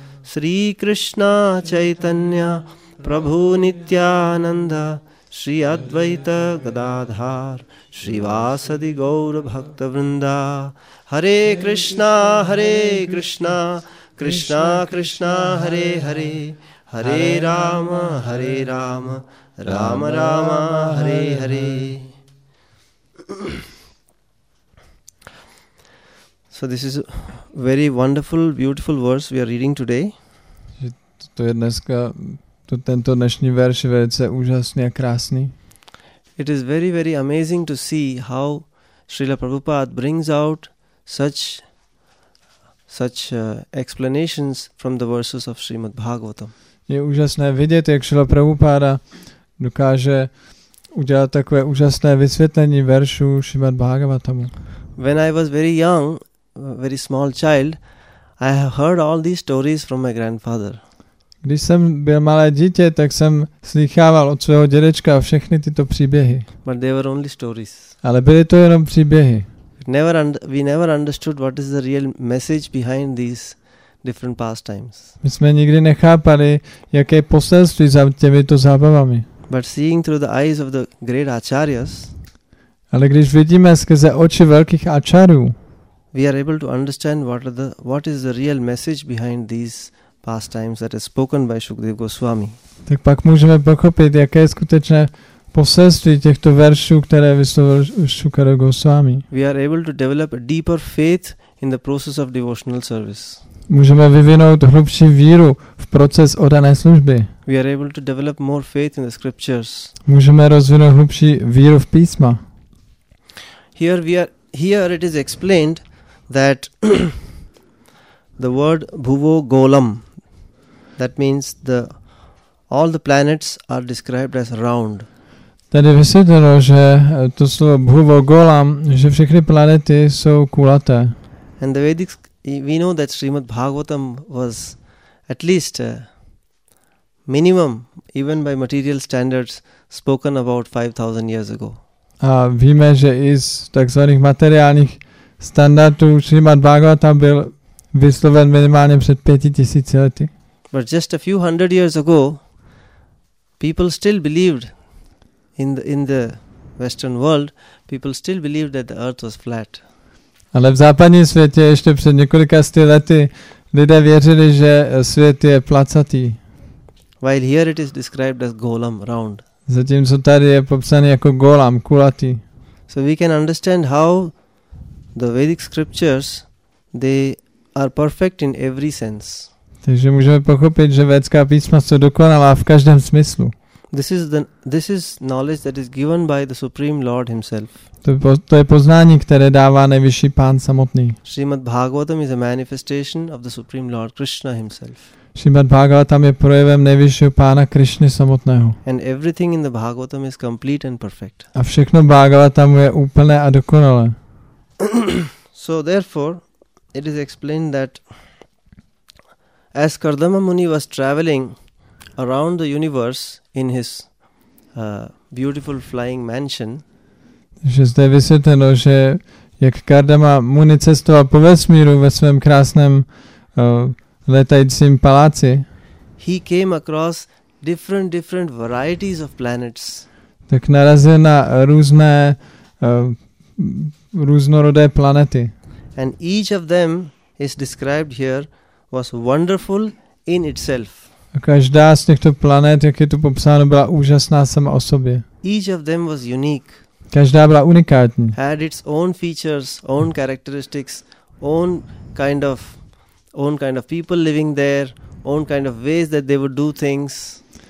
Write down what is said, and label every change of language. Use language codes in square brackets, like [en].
[sa] Sri Krishna Chaitanya Prabhu Nityananda Shri Advaita Gadadhar Shri Vasadi Gaura Bhakta Vrinda Hare Krishna Hare Krishna Krishna Krishna Hare Hare Hare Rama Hare Rama Rama Rama Hare Hare. [en] So this is a very wonderful, beautiful verse we are reading today. [cs] To je dneska, to tento dnešní verš je velice úžasný a krásný. [en] It is very, very amazing to see how Srila Prabhupada brings out such explanations from the verses of Srimad Bhagavatam. [cs] Je úžasné vidět, jak Srila Prabhupada dokáže udělat takové úžasné vysvětlení veršů Srimad Bhagavatamu. [en] When I was very young, a very small child, I have heard all these stories from my grandfather. [cs] Když jsem byl malé dítě, tak jsem slýchával od svého dědečka všechny tyto příběhy. [en] But they were only stories. [cs] Ale byly to jenom příběhy. [en] We never understood what is the real message behind these different pastimes. [cs] My jsme nikdy nechápali, jaké poselství za těmito zábavami. [en] But seeing through the eyes of the great acharyas, [cs] ale když vidíme skrze oči velkých acharů, [en] we are able to understand what is the real message behind these pastimes that is spoken by Shukdev Goswami. [cs] Tak pak můžeme pochopit, jaké je skutečné poselství těchto veršů, které vyslovil Shukadev Goswami. [en] We are able to develop a deeper faith in the process of devotional service. [cs] Můžeme vyvinout hlubší víru v proces oddané služby. [en] We are able to develop more faith in the scriptures. [cs] Můžeme rozvinout hlubší víru v písma. [en] Here it is explained that the word bhuvo golam, that means all the planets are described as round. [cs] Tady vysvětleno, že to slovo bhuvo golam, že všechny planety jsou kulaté. [en] And the Vedic, we know that Srimad Bhagavatam was at least minimum, even by material standards, spoken about 5000 years ago. [cs] A víme, že i z takzvaných materiálních standardů Srimad Bhagavatam byl vysloven minimálně před 5000 lety. [en] But just a few hundred years ago, people still believed in the Western world, people still believed that the earth was flat. [cs] Ale v západním světě ještě před několika sty lety lidé věřili, že svět je placatý. [en] While here it is described as golam, round. [cs] Zatímco tady je popsaný jako golam, kulatý. [en] So we can understand how the Vedic scriptures, they are perfect in every sense. [cs] Takže můžeme pochopit, že védská písma jsou dokonalá v každém smyslu. [en] This is knowledge that is given by the Supreme Lord himself. [cs] To je poznání, které dává nejvyšší pán samotný. [en] Srimad Bhagavatam is a manifestation of the Supreme Lord Krishna himself. [cs] Srimad Bhagavatam je projevem nejvyššího pána Krišny samotného. [en] And everything in the Bhagavatam is complete and perfect. [cs] A všechno Bhagavatamu je úplné a dokonalé. [en] So therefore, it is explained that as Kardama Muni was traveling around the universe in his beautiful flying mansion, [cs] že zde je vysvětleno, že jak Kardama Muni cestoval po vesmíru ve svém krásném letajícím paláci, [en] he came across different varieties of planets. [cs] Tak narazil na různé různorodé planety. [en] And each of them is described here was wonderful in itself. [cs] A každá z těchto planet, jak je tu popsáno, byla úžasná sama o sobě. [en] Each of them was unique. [cs] Každá byla unikátní. [en] Had its own features, own characteristics, own kind of people living there, own kind of ways that they would do things.